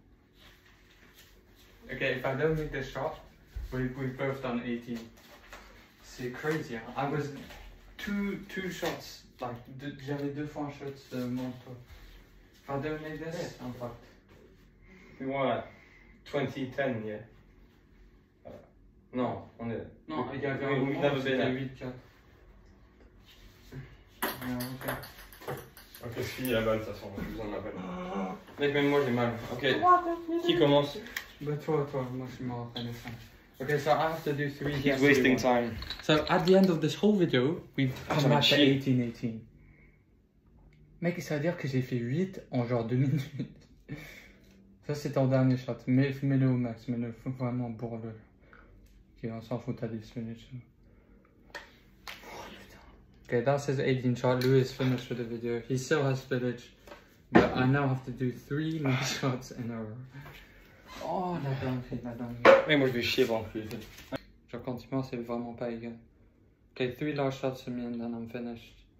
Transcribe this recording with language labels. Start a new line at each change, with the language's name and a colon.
French: Pense à moi.
English: Ok, if I don't make this shot, we've both done 18.
French: C'est crazy, hein?
English: I was two shots.
French: Like, j'avais deux fois un shot de mon tour.
English: If I don't make this, yeah. I'm fucked. You want 20-10, yeah?
French: Non, on est. Non, il y avait un moment où c'était
English: 8-4. Yeah, ok.
French: Ok, je finis la balle, de toute façon, j'ai besoin de la balle. Mec, même moi j'ai mal. Ok, qui commence? Bah toi, moi je suis mort après les 5.
English: Okay, so I have to do 3. He's wasting time. So at the end of this whole video, we've come back to 18-18.
French: Mec, ça veut dire que j'ai fait 8 en genre 2 minutes. Ça, c'est ton dernier shot. Mets-le au max, mets-le vraiment bourre-le. Ok, on s'en fout à 10 minutes. Oh, putain. Ok,
English: that says 18 shot. Louis finished with the video. He still has village. But I now have to do 3 max shots in a row.
French: Oh, la dinguerie, la dinguerie. Mais moi, je vais chier avant que je le fasse. Genre, quand c'est vraiment pas égal.
English: Ok, 3 large shots for me and then I'm finished.